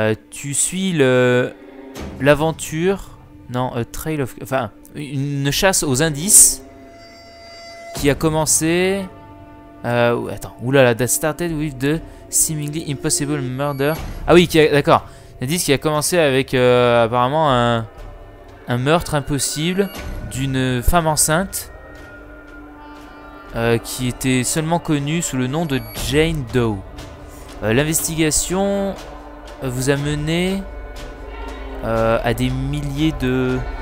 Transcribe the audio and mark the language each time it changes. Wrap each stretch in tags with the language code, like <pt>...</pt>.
<fr>Tu suis l'aventure, non,</fr> <en>a trail of,</en> <fr>enfin, une chasse aux indices qui a commencé. Attends, oulala,</fr> <en>that started with the seemingly impossible murder.</en> <fr>Ah oui, d'accord. L'indice qui a commencé avec apparemment un meurtre impossible d'une femme enceinte qui était seulement connue sous le nom de Jane Doe. L'investigation vous a mené à des milliers de...</fr>